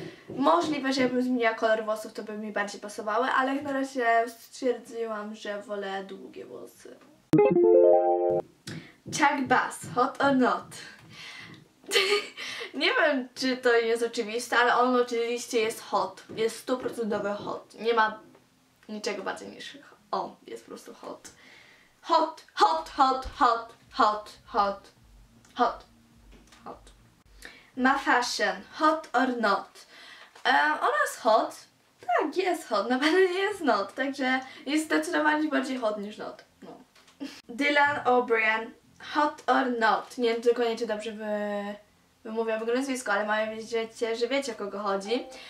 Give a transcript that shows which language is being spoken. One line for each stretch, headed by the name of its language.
Polish: Możliwe, że jakbym zmieniła kolor włosów, to by mi bardziej pasowały, ale jak na razie stwierdziłam, że wolę długie włosy.
English: Chuck Bass, hot or not?
Polish: Nie wiem, czy to jest oczywiste, ale on oczywiście jest hot, jest stuprocentowy hot, nie ma niczego bardziej niż on, jest po prostu hot.
English: Hot, hot, hot, hot, hot, hot, hot, hot.
Polish: Ma fashion,
English: hot or not?
Polish: Ona jest hot, tak, jest hot, naprawdę nie jest not, także jest zdecydowanie bardziej hot niż not. No. Dylan O'Brien,
English: hot or not?
Polish: Nie wiem, tylko nie czy dobrze wymówiłam w ogóle nazwisko, ale mam wiedzieć, że wiecie, o kogo chodzi.